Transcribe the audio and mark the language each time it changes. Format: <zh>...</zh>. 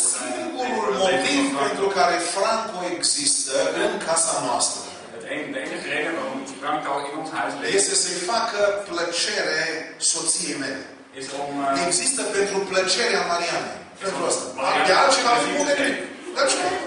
<ro>Singulul motiv pentru care Franco există în casa noastră.</ro> <nl>De enige reden waarom Franco in ons huis leeft.</nl> <ro>Este să-i facă plăcere soției mele. Există pentru plăcerea Mariane. Pentru asta. De altceva îmi spune nimic. De ce?</ro>